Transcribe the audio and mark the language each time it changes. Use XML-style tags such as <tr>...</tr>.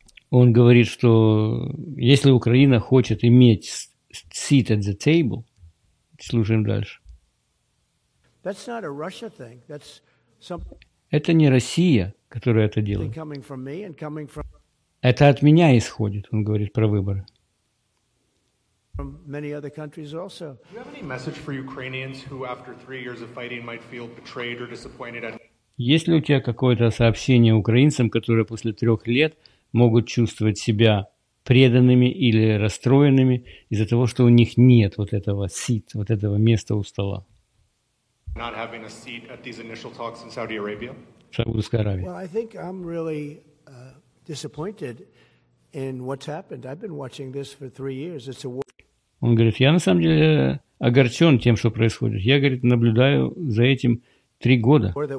<ru>Он говорит, что если Украина хочет иметь</ru> <en>seat at the table,</en> <ru>слушаем дальше.</ru> <en>That's not a Russia thing. That's something...</en> <ru>Это не Россия, которая это делает.</ru> <en>Coming from me and coming from...</en> <ru>Это от меня исходит, он говорит про выборы.</ru> <en>From many other countries also. Do you have any message for Ukrainians who after 3 years of fighting might feel betrayed or disappointed at...</en> <ru>Есть ли у тебя какое-то сообщение украинцам, которые после 3 лет могут чувствовать себя преданными или расстроенными из-за того, что у них нет вот этого seat, вот этого места у стола?</ru> <en>Not having a seat at these initial talks in Saudi Arabia?</en> <ru>В Саудовской Аравии.</ru> <en>Well, I think I'm really disappointed in what's happened. I've been watching this for 3 years. It's a war.</en> <ru>Он говорит, я на самом деле огорчен тем, что происходит. Я, говорит, наблюдаю за этим 3 года.</ru>